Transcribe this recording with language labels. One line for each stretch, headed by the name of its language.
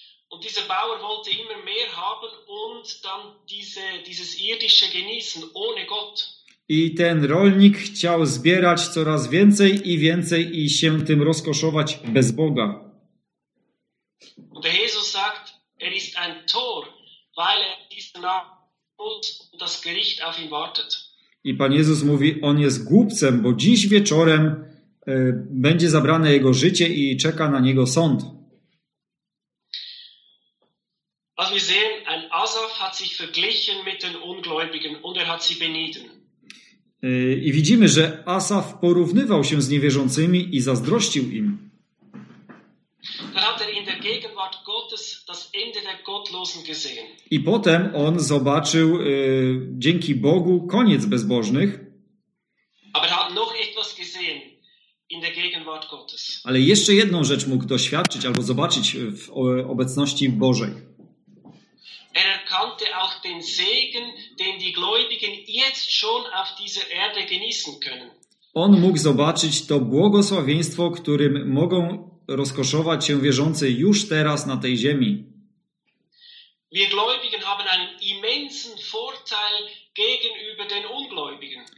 German: Und dieser Bauer wollte immer mehr haben und dann dieses irdische genießen ohne Gott.
Polish: I ten rolnik chciał zbierać coraz więcej i więcej i się tym rozkoszować bez Boga.
German: Und Jesus sagt, er ist ein Tor, weil er diesen Abend und das Gericht auf ihn wartet.
Polish: I Pan Jezus mówi, on jest głupcem, bo dziś wieczorem będzie zabrane jego życie i czeka na niego sąd.
German: Was wir sehen, ein Asaf hat sich verglichen mit den Ungläubigen und er hat sie benieden.
Polish: I widzimy, że Asaf porównywał się z niewierzącymi i zazdrościł im.
German: Dann hat er in der Gegenwart Gottes das Ende der Gottlosen gesehen.
Polish: I potem on zobaczył dzięki Bogu koniec bezbożnych.
German: Aber er hat noch etwas gesehen in der Gegenwart Gottes.
Polish: Ale jeszcze jedną rzecz mógł doświadczyć albo zobaczyć w obecności Bożej.
German: Er erkannte auch den Segen, den die Gläubigen jetzt schon auf dieser Erde genießen können.
Polish: On mógł zobaczyć to błogosławieństwo, którym mogą rozkoszować się wierzący już teraz na tej ziemi.
German: Wir Gläubigen haben einen immensen Vorteil gegenüber den Ungläubigen.